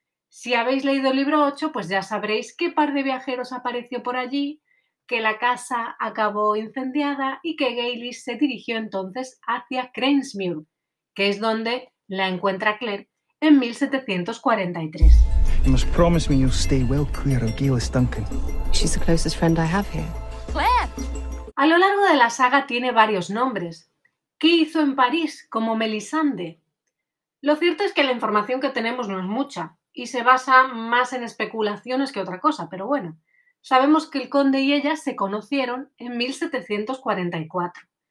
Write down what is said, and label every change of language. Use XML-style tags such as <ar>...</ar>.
<es>Si habéis leído el libro 8, pues ya sabréis qué par de viajeros apareció por allí, que la casa acabó incendiada y que Gailis se dirigió entonces hacia Cranesmuir, que es donde la encuentra Claire en 1743.</es> <en>You must promise me you'll stay well clear of Gillis Duncan. She's the closest friend I have here. Claire.</en> <es>A lo largo de la saga tiene varios nombres. ¿Qué hizo en París como Melisande? Lo cierto es que la información que tenemos no es mucha y se basa más en especulaciones que otra cosa, pero bueno. Sabemos que el conde y ella se conocieron en 1744.</es>